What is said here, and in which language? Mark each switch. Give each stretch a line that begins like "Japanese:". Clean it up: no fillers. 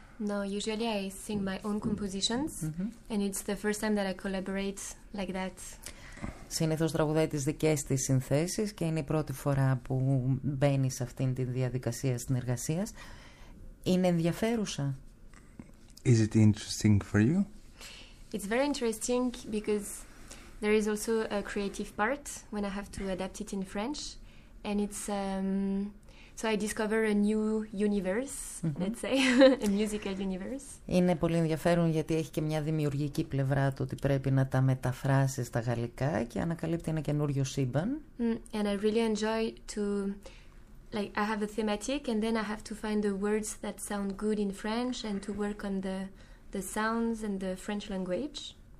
English: No, usually I sing my own compositions, and it's the first time that I collaborate like that.
Greek: Συνήθως τραγουδάει τις δικές της συνθέσεις και είναι η πρώτη φορά που μπαίνει σε αυτήν τη διαδικασία συνεργασίας. Είναι ενδιαφέρουσα?
English: Is it interesting for you? It's very interesting because there is also a creative part when I have to adapt it in French, and it's so I discover a new universe, let's say, a musical universe.
Greek: Είναι πολύ ενδιαφέρον γιατί έχει και μια δημιουργική πλευρά του, ότι πρέπει να τα μεταφράσεις στα γαλλικά και ανακαλύπτει ένα καινούριο σύμπαν.
English: And I really enjoy to, like, I have a thematic and then I have to find the words that sound good in French and to work on the sounds and the French language.